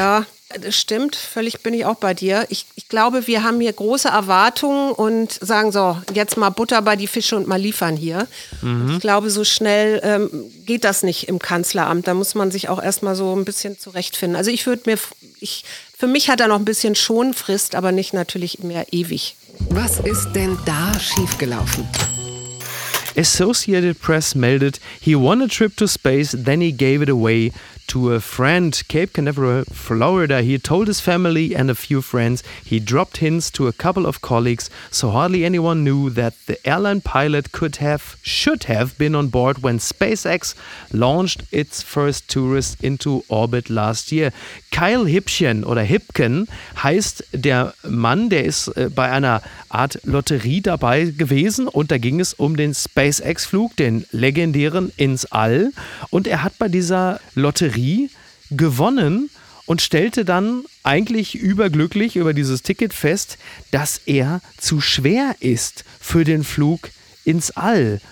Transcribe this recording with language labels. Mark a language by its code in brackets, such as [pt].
[de] Ja, das stimmt, völlig bin ich auch bei dir. Ich glaube, wir haben hier große Erwartungen und sagen so, jetzt mal Butter bei die Fische und mal liefern hier. Mhm. Ich glaube, so schnell geht das nicht im Kanzleramt, da muss man sich auch erstmal so ein bisschen zurechtfinden. Also für mich hat er noch ein bisschen Schonfrist, aber nicht natürlich mehr ewig. Was ist denn da schiefgelaufen? Associated Press meldet, [en] he won a trip to space, then he gave it away to a friend. Cape Canaveral, Florida. He told his family and a few friends. He dropped hints to a couple of colleagues, so hardly anyone knew that the airline pilot should have been on board when SpaceX launched its first tourist into orbit last year. [de] Kyle Hipchen oder Hipken heißt der Mann, der ist bei einer Art Lotterie dabei gewesen und da ging es um den SpaceX-Flug, den legendären ins All, und er hat bei dieser Lotterie gewonnen und stellte dann eigentlich überglücklich über dieses Ticket fest, dass er zu schwer ist für den Flug ins All.